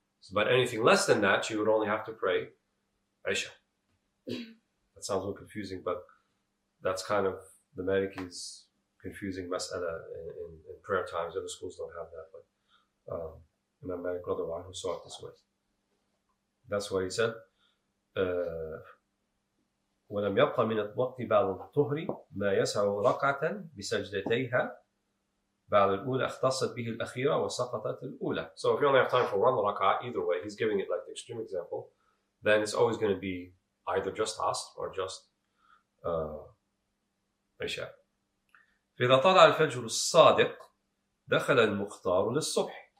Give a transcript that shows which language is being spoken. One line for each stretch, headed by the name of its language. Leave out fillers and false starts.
English: But anything less than that, you would only have to pray Isha. That sounds a little confusing, but that's kind of the Maliki's confusing mas'ala in prayer times. Other schools don't have that, but Imam Malik radiallahu anhu saw it this way. That's why he said,
Arabic: وَلَمْ يَبْقَ مِنَ الْوَقْتِ بَعْضُ الطُّهْرِ مَا يَسْعُ رَقَعَةً بِسَجْدَتَيْهَا بَعْضُ الْأُولَى اخْتَصَتْ بِهِ الْأَخِيرَ وَسَقَطَتْ الْأُولَى.
English: So if you only have time for one raqa, either way, he's giving it like the extreme example, then it's always going to be either just Asr or just Isha.
Arabic: فَإِذَا طَلَعَ الْفَجْرُ الصَّادِقُ دَخَلَ الْمُخْتَارُ لِلصُّبْحِ.